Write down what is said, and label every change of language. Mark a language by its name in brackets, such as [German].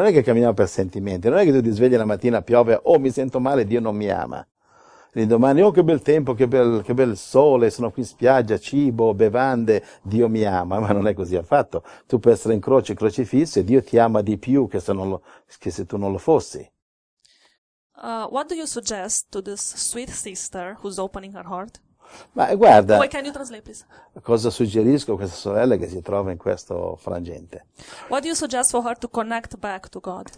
[Italian] Non è che camminiamo per sentimenti. Non è che tu ti svegli la mattina, piove, oh mi sento male, Dio non mi ama. L'indomani, oh che bel tempo, che bel sole, sono qui in spiaggia, cibo, bevande, Dio mi ama. Ma non è così affatto. Tu puoi essere in croce, crocifisso, e Dio ti ama di più che se tu non lo fossi. [English] What do you suggest to this sweet sister who's opening her heart? [Italian] Ma guarda, [English] why can you translate, please? [Italian] Cosa suggerisco a questa sorella che si trova in questo frangente? [English] What do you suggest for her to connect back to God?